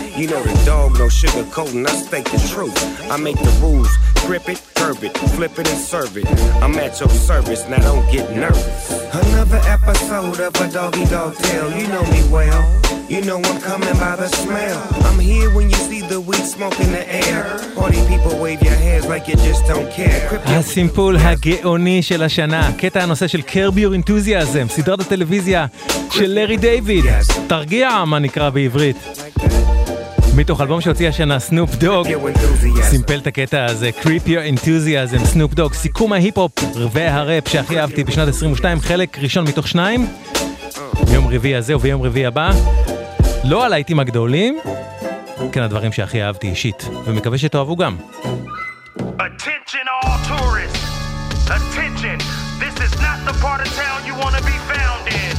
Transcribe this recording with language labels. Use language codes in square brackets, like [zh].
[en] You know the dog, no sugarcoating, I state the truth. I make the rules, grip it, curb it, flip it and serve it. I'm at your service, now don't get nervous. Another episode of A Doggy Dog Tale. You know me well, you know I'm coming by the smell. I'm here when you see the weed smoke in the air. Party people wave your hands like you just don't care. [he] הסימפול הגאוני של השנה, קטע הנושא של Curb Your Enthusiasm, סדרת הטלוויזיה של לארי דיוויד, תרגיע מה נקרא בעברית, מתוך אלבום שהוציא השנה סנופ דוג, סימפל את הקטע הזה, Creep Your Enthusiasm, סנופ דוג, סיכום ההיפ-הופ והראפ שהכי אהבתי בשנת 22, חלק ראשון מתוך שניים, יום רביעי הזה וביום רביעי הבא, לא הלהיטים הגדולים, כן הדברים שהכי אהבתי אישית, ומקווה שתאהבו גם. [en] Attention all tourists, attention, this is not the part of town you want to be found in.